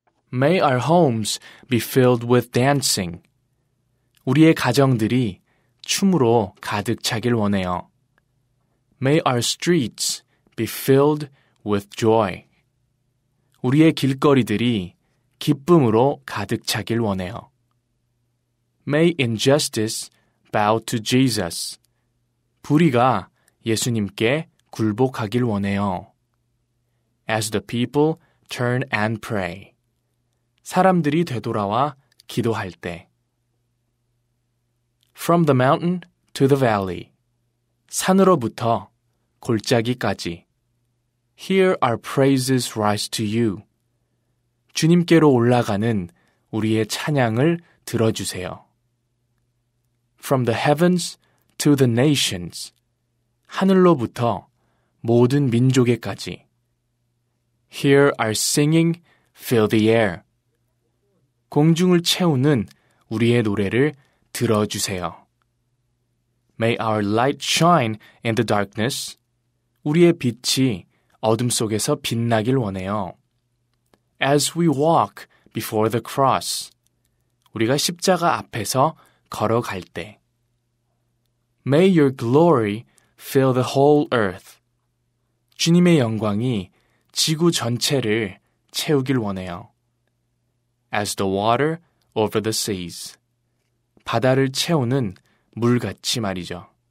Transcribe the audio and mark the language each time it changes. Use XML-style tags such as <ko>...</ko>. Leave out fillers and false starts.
<en>'May our homes be filled with dancing.'</en> <ko>우리의 가정들이 춤으로 가득 차길 원해요.</ko> <en>'May our streets be filled with joy.'</en> <ko>우리의 길거리들이 기쁨으로 가득 차길 원해요.</ko> <en>'May injustice bow to Jesus.'</en> <ko>불의가 예수님께 굴복하길 원해요.</ko> <en>'As the people turn and pray.'</en> <ko>사람들이 되돌아와 기도할 때</ko> <en>From the mountain to the valley</en> <ko>산으로부터 골짜기까지</ko> <en>Here our praises rise to you</en> <ko>주님께로 올라가는 우리의 찬양을 들어주세요</ko> <en>From the heavens to the nations</en> <ko>하늘로부터 모든 민족에까지</ko> <en>Here our singing fill the air</en> <ko>공중을 채우는 우리의 노래를 들어주세요.</ko> <en>May our light shine in the darkness.</en> <ko>우리의 빛이 어둠 속에서 빛나길 원해요.</ko> <en>As we walk before the cross.</en> <ko>우리가 십자가 앞에서 걸어갈 때.</ko> <en>May your glory fill the whole earth.</en> <ko>주님의 영광이 지구 전체를 채우길 원해요.</ko> <en>As the water over the seas.</en> <ko>바다를 채우는 물같이 말이죠.</ko>